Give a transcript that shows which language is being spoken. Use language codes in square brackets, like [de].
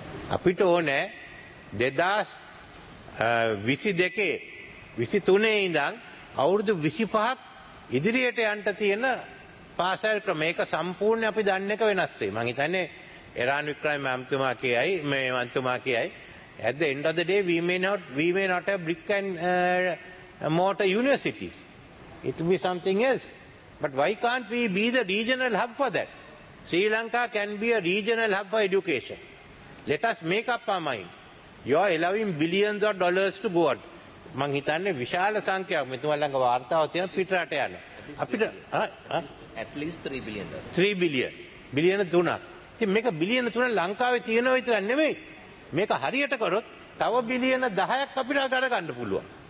[si] අපිට ඕනේ 2022-23 ඉඳන් අවුරුදු 25ක් ඉදිරියට යන්න තියෙන පාසල් ක්‍රම. ඒක සම්පූර්ණ අපි දන්න එක වෙනස් වෙයි. මං හිතන්නේ එරාන් වික්‍රම මහත්මයා කියයි මේ මහත්මයා කියයි [en] at the end of the day we may not have brick and mortar universities. It will be something else. But why can't we be the regional hub for that? Sri Lanka can be a regional hub for education. Let us make up our mind. You are allowing billions of dollars to go out. [si] මං හිතන්නේ විශාල සංඛ්‍යාවක් මෙතුමා ළඟ වාර්තාව තියෙන පිටරට යන. අපිට [en] at least 3 billion. [si] 3 billion. බිලියන 3ක්. ඉතින් මේක බිලියන 3 ලංකාවේ තියෙන විතර නෙමෙයි. මේක හරියට කරොත් තව බිලියන 10ක් අපිට ගණ ගන්න පුළුවන්.